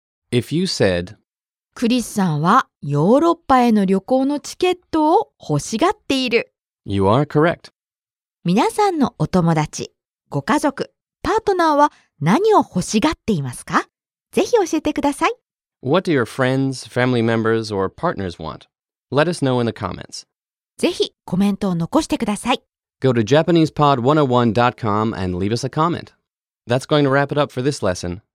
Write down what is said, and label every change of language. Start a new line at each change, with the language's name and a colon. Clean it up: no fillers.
English: If you said、
Japanese: クリスさんはヨーロッパへの旅行のチケットを欲しがっている。
English: You are correct.
Japanese: 皆さんのお友達、ご家族、パートナーは何を欲しがっていますか? ぜひ教えてください。
English: What do your friends, family members, or partners want? Let us know in the comments.
Japanese: ぜひコメントを残してください。
English: Go to JapanesePod101.com and leave us a comment. That's going to wrap it up for this lesson.